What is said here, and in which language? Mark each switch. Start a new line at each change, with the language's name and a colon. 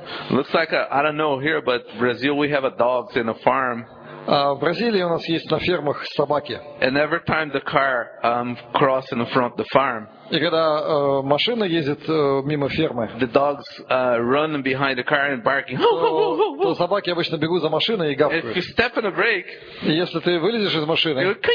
English: Looks like I don't know here, but Brazil we have a dogs in a farm.
Russian: В Бразилии у нас есть на фермах собаки.
English: And every time the car crosses in front of the farm.
Russian: И когда машина ездит мимо фермы.
English: The dogs run behind the car and barking.
Russian: То собаки обычно бегут за машиной и гавкают.
English: If you step on the brake.
Russian: Если ты вылезешь из машины.